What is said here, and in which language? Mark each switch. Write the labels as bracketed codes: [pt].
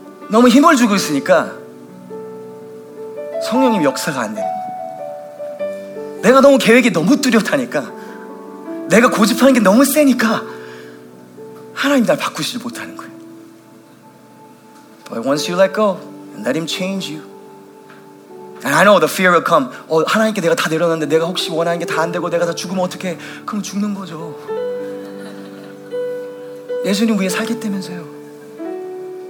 [ko] 너무 힘을 주고 있으니까 성령님 역사가 안 돼. 내가 너무 계획이 너무 뚜렷하니까 내가 고집하는 게 너무 세니까 하나님 날 바꾸시지 못하는 거예요. [en] But once you let go and let him change you, and I know the fear will come. [ko] 하나님께 내가 다 내려놨는데 내가 혹시 원하는 게 다 안 되고 내가 다 죽으면 어떡해? 그럼 죽는 거죠. 예수님 위에 살기 때문에서요.